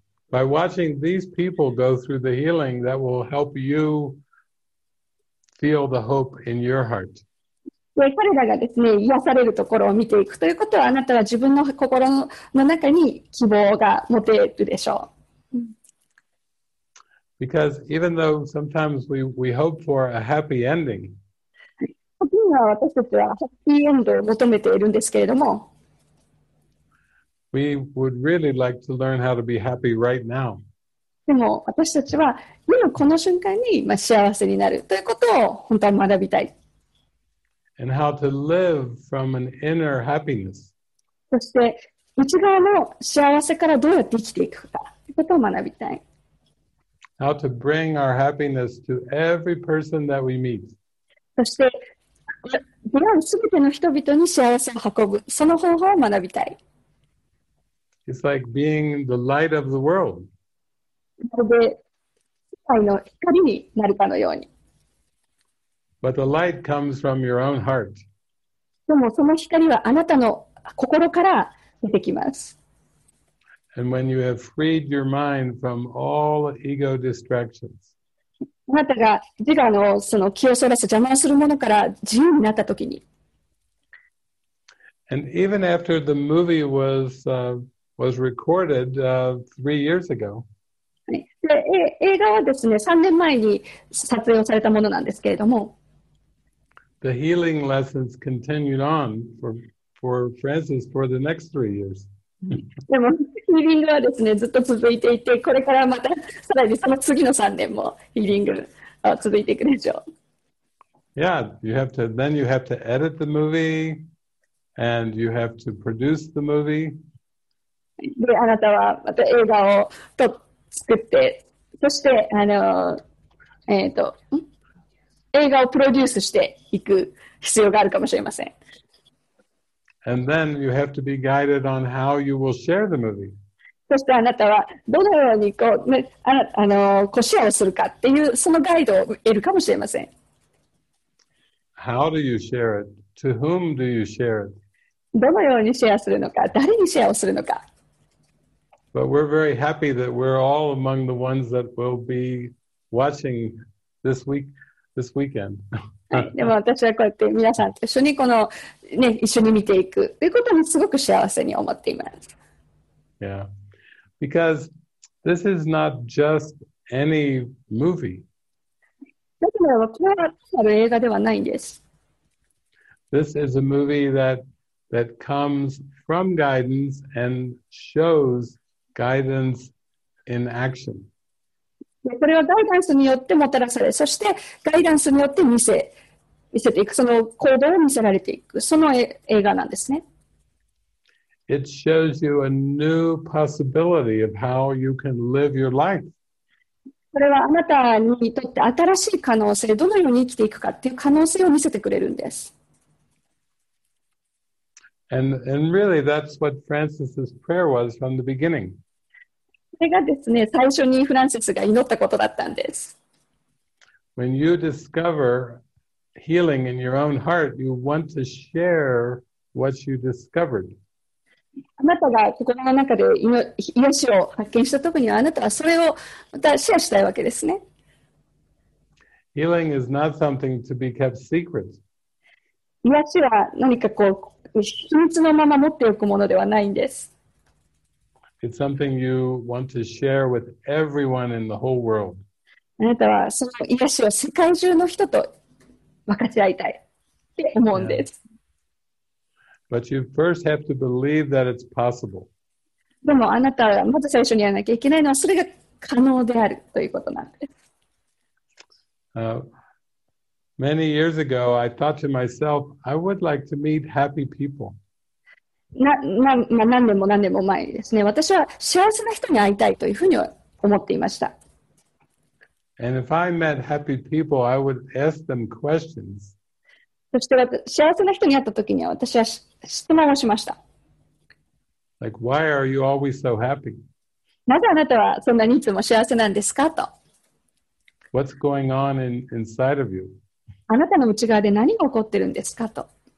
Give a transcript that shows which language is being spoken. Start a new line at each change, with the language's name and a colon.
English: By watching these people go through the healing, that will help you feel the hope in your heart.
Japanese: で、彼らがですね、癒されるところを見ていくということは、あなたは自分の心の中に希望が持てるでしょう。
English: Because even though sometimes we hope for a happy ending,
Japanese: 私たちはハッピーエンドを求めているんですけれども、
English: We would really like to learn how to be happy right now.
Japanese: でも私たちは今この瞬間に幸せになるということを本当は学びたい。
English: And how to live from an inner happiness.
Japanese: そして内側の幸せからどうやって生きていくかということを学びたい。
English: How to bring our happiness to every person that we meet.
Japanese: そして出会う全ての人々に幸せを運ぶその方法を学びたい。
English: It's like being the light of the world. But the light comes from your own heart. And when you have freed your mind from all ego distractions,
Japanese: あなたが自我のその気をそらす邪魔するものから自由になったときに。
English: And even after the movie was recorded 3 years ago.
Japanese: で、映画はですね、3年前に撮影をされたものなんですけれども。
English: The healing lessons continued on for Francis for the next 3 years.
Japanese: でも、ヒーリングはですね、ずっと続いていて、これからまたさらにその次の3年もヒーリングを続いていくでしょう。
English: Yeah, you have to, then you have to edit the movie, and you have to produce the movie.
Japanese: で、あなたはまた映画を作って、そして、映画をプロデュースしていく必要があるかもしれません。
English: And then you have to be guided on how you will share the movie.
Japanese: そしてあなたはどのようにこうね、シェアをするかっていうそのガイドを得るかもしれません。
English: How do you share it? To whom do you share it?
Japanese: どのようにシェアするのか、誰にシェアをするのか。
English: But we're very happy that we're all among the ones that will be watching this week, this weekend.
Japanese: でも私はこうやって皆さんと一緒にこのね、一緒に見ていくということにすごく幸せに思っています。
English: Yeah. Because this is not just any movie.
Japanese: これは単なる映画ではないんです。
English: This is a movie that comes from guidance and shows guidance in action.
Japanese: これはガイダンスによってもたらされ、そしてガイダンスによって見せていく、その行動を見せられていく、その映画なんですね。
English: It shows you a new possibility of how you can live your life.
Japanese: これはあなたにとって新しい可能性、どのように生きていくかっていう可能性を見せてくれるんです。
English: And really, that's what Francis's prayer was from the beginning.
Japanese: それがですね、最初にフランシスが祈ったことだったんです。
English: When you discoverhealing in your own heart, you want to share what you discovered.
Japanese: あなたが心の中で癒しを発見したときにはあなたはそれをまたシェアしたいわけですね。
English: Healing is not something to be kept secret.
Japanese: 癒しは何かこう秘密のまま持っておくものではないんです。
English: It's something you want to share with everyone in the whole world.
Japanese: あなたはその癒しを世界中の人と分かち合いたいって思うんです。
English: But you first have to believe that it's possible.
Japanese: でもあなたはまず最初にやらなきゃいけないのはそれが可能であるということなんです。
English: Many years ago, I thought to myself, I would like to meet happy people.
Japanese: 何年も何年も前にですね、私は幸せな人に会いたいというふうに思っていました。
English: And if I met happy people, I would ask them questions.
Japanese: そして幸せな人に会った時には私は質問をしました。
English: Like, why are you always so happy?
Japanese: なぜあなたはそんなにいつも幸せなんですかと。
English: What's going on inside of you?
Japanese: あなたの内側で何が起こってるんですかと。